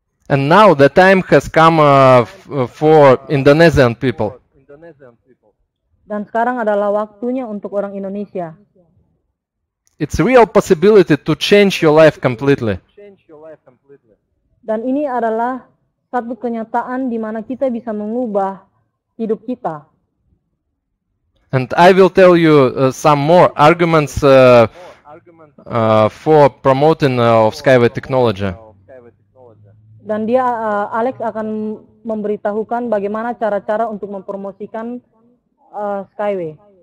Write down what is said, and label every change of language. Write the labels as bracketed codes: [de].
[en] And now the time has come for Indonesian people. [id] Dan sekarang adalah waktunya untuk orang Indonesia. [en] It's a real possibility to change your life completely. [id] Dan ini adalah satu kenyataan di mana kita bisa mengubah hidup kita. [en] And I will tell you some more arguments for promoting of Skyway technology. [id] Dan dia Alex akan memberitahukan bagaimana cara-cara untuk mempromosikan Skyway.